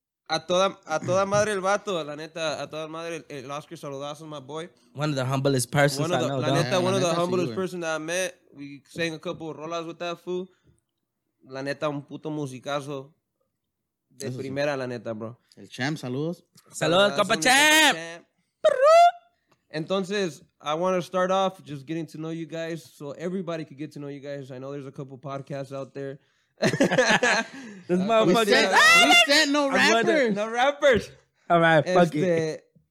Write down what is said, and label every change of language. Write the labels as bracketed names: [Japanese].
[Spanish] A toda madre el vato, la neta, a toda madre el Oscar, saludazo, [English] my boy. One of the humblest persons I know, though. [Spanish] La neta, [English] one of the humblest persons that I met. We sang a couple of rolas with that fool. [Spanish] La neta, un puto musicazo de eso primera, sí. La neta, bro. El champ, saludos. Saludos, compa champ. [English] Entonces, I want to start off just getting to know you guys so everybody could get to know you guys. I know there's a couple podcasts out there. This motherfucker. We said no rappers. All right, fuck it.